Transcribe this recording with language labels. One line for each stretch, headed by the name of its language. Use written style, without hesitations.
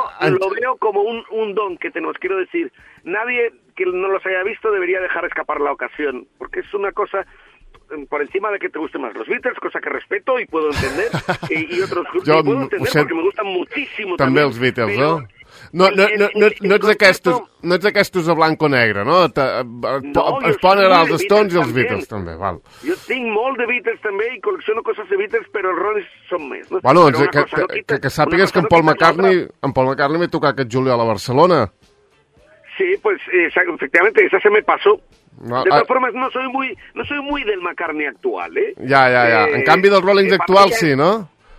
Spanish: Lo veo como un don que tenemos, quiero decir, nadie... que no los haya visto, debería dejar escapar la ocasión. Porque es una cosa, por encima de que te gusten más los Beatles, cosa que respeto y puedo entender, y otros grupos, puedo entender porque me gustan muchísimo
Catalan: també els Beatles, no? No ets d'aquestos de blanc o negre, no? Es poden agradar els Stones i els Beatles, també, val. Jo tinc molt de Beatles, també, i col·lecciono coses de Beatles, però els Rollins són més, no? Bueno, que sàpigues que en Paul McCartney m'he tocat aquest juliol a Barcelona.
Spanish: Sí, pues efectivamente, esa se me pasó. De todas formas, no soy muy del McCartney actual, ¿eh? Ya. En cambio, del Rollins actual sí, ¿no?